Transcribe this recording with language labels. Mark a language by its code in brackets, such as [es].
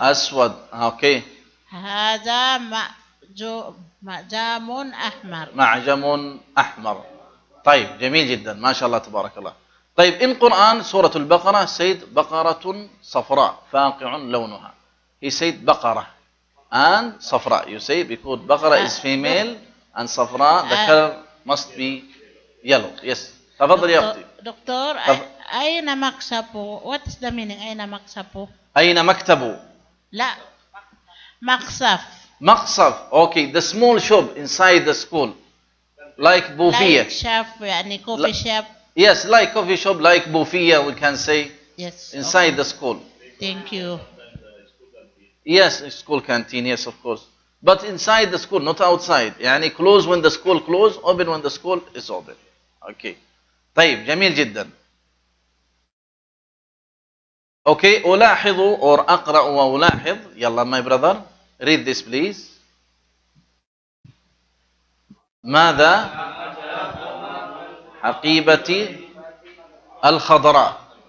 [ar] أسود. أوكي. هذا معجم أحمر. معجم أحمر. طيب جميل جدا ما شاء الله تبارك الله. طيب إن قرآن سورة البقرة سيد بقرة صفراء فاقع لونها. هي سيد بقرة and صفراء. [en] You say because بقرة is female and صفراء the color must be yellow. Yes. [ar] تفضل يا أختي. دكتور أين مكتبه؟ [en] What is the meaning؟ [ar] أين مكتبه؟ أين مكتبه؟ لا مقصف. [en] مقصف. Okay. The small shop inside the school. Like بوفية. Like shop يعني coffee shop. Yes, like coffee shop, like bufia, we can say. Yes. Inside okay. The school. Thank you. Yes, school canteen, yes, of course. But inside the school, not outside. يعني close when the school close, open when the school is open. [ar] Okay. طيب, جميل جدا. Okay, ألاحظوا or أقرأ وألاحظ. [en] يلا, my brother, read this, please. [ar] ماذا؟ حقيبتي الخضراء.